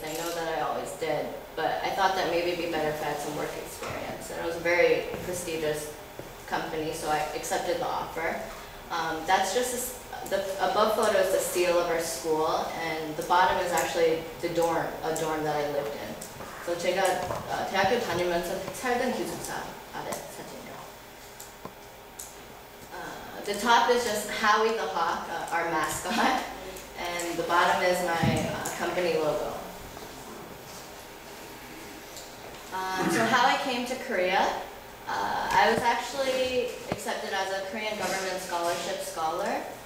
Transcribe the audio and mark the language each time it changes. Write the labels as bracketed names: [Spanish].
[English] I know that I always did, but I thought that maybe it'd be better if I had some work experience. And it was a very prestigious company, so I accepted the offer. That's just the above photo is the seal of our school, and the bottom is actually the dorm that I lived in. [Korean] So 제가 대학교 다니면서 살던 기숙사 아래 사진이요. [English] The top is just Howie the Hawk, our mascot, and the bottom is my company logo. So how I came to Korea. I was actually accepted as a Korean government scholarship scholar.